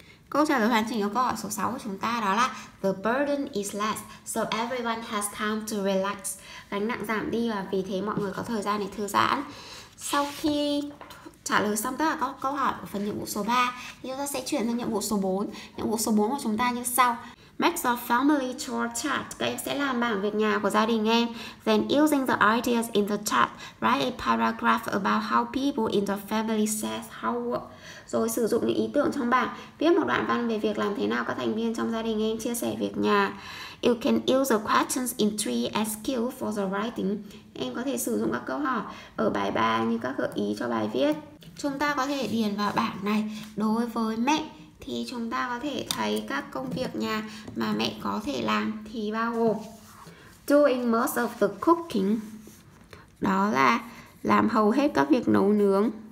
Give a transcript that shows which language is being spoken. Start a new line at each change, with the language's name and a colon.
Vietnamese: Câu trả lời hoàn chỉnh của câu hỏi số 6 của chúng ta đó là
English: the burden is less, so everyone has time to relax.
Vietnamese: Gánh nặng giảm đi và vì thế mọi người có thời gian để thư giãn. Sau khi trả lời xong tất cả các câu hỏi của phần nhiệm vụ số 3, thì chúng ta sẽ chuyển sang nhiệm vụ số 4. Nhiệm vụ số 4 của chúng ta như sau.
English: Make the family chore chart.
Vietnamese: Các em sẽ làm bảng việc nhà của gia đình em.
English: Then using the ideas in the chart, write a paragraph about how people in the family says how work.
Vietnamese: Rồi sử dụng những ý tưởng trong bảng, viết một đoạn văn về việc làm thế nào các thành viên trong gia đình em chia sẻ việc nhà.
English: You can use the questions in 3 as cue for the writing.
Vietnamese: Em có thể sử dụng các câu hỏi ở bài 3 như các gợi ý cho bài viết. Chúng ta có thể điền vào bảng này. Đối với mẹ thì chúng ta có thể thấy các công việc nhà mà mẹ có thể làm thì bao gồm
English: doing most of the cooking,
Vietnamese: đó là làm hầu hết các việc nấu nướng.